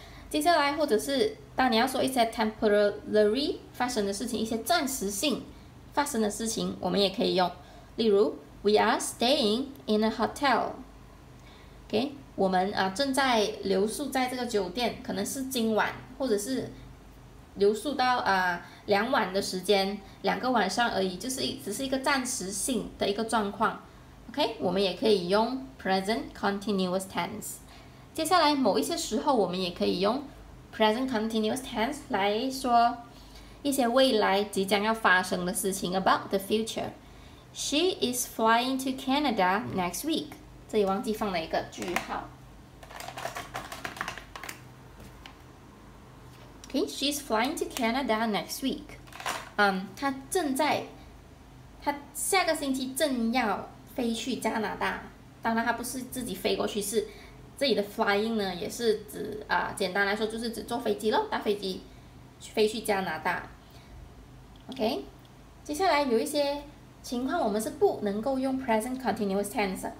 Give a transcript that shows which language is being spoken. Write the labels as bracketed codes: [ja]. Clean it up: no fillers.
[zh] 接下来或者是当你要说一些 temporary 发生的事情，一些暂时性发生的事情，我们也可以用，例如 [en] we are staying in a hotel。 [zh] OK， 我们啊正在留宿在这个酒店，可能是今晚或者是留宿到啊两晚的时间，两个晚上而已，就是只是一个暂时性的一个状况。 OK， 我们也可以用 present continuous tense。接下来某一些时候我们也可以用 present continuous tense 来说一些未来即将要发生的事情， [en] about the future。 She is flying to Canada next week。 [zh] 这里忘记放了一个句号。 [en] Okay, she's flying to Canada next week。 [zh] 她正在，她下个星期正要飞去加拿大。当然她不是自己飞过去，是这里的 flying 呢也是指啊，简单来说就是指坐飞机咯，搭飞机飞去加拿大。 OK， 接下来有一些情况我们是不能够用 present continuous tense。